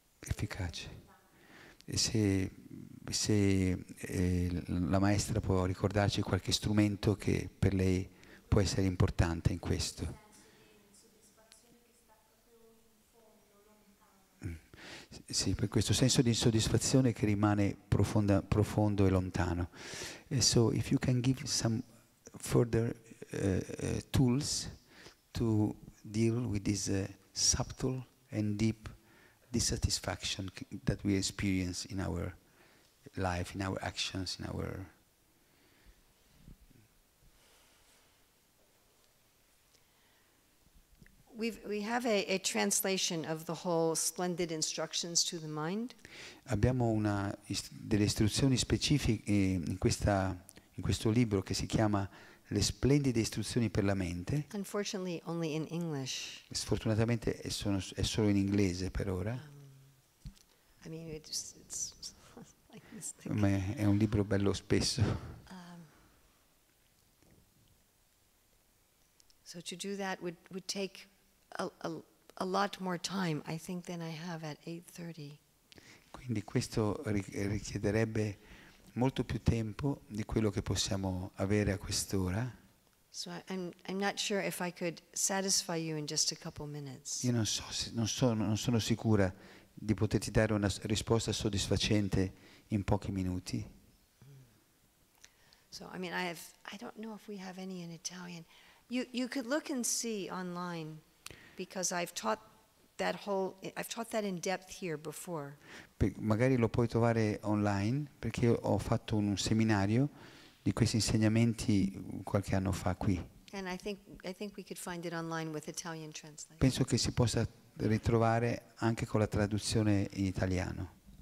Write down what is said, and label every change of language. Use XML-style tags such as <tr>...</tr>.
<it>Efficace. E la maestra può ricordarci qualche strumento che per lei può essere importante in questo. Sì, per questo senso di insoddisfazione che rimane profondo e lontano.</it> <en>E so if you can give some further tools to deal with this subtle and deep dissatisfaction that we experience in our life, in our actions, in our... We have a translation of the whole splendid instructions to the mind.</en> <it>Abbiamo una delle istruzioni specifiche in questo libro che si chiama Le splendide istruzioni per la mente.</it> <en>Unfortunately, only in English.</en> <it>Sfortunatamente è solo in inglese per ora.</it> <en>I mean, it's like this thing.</en> <it>Ma è un libro bello spesso.</it> <en>So to do that would take a lot more time, I think, than I have at 8:30.</en> <it>Quindi questo richiederebbe molto più tempo di quello che possiamo avere a quest'ora.</it> <en>So I'm not sure if I could satisfy you in just a couple minutes.</en> <it>Io non sono sicura di poterti dare una risposta soddisfacente in pochi minuti.</it> <en>So I mean I don't know if we have any in Italian. You could look and see online because I've taught that in depth here before.</en> <it>Magari lo puoi trovare online perché ho fatto un seminario di questi insegnamenti qualche anno fa qui.</it> <en>And I think we could find it online with Italian translation.</en> <it>Penso che si possa ritrovare anche con la traduzione in italiano.</it>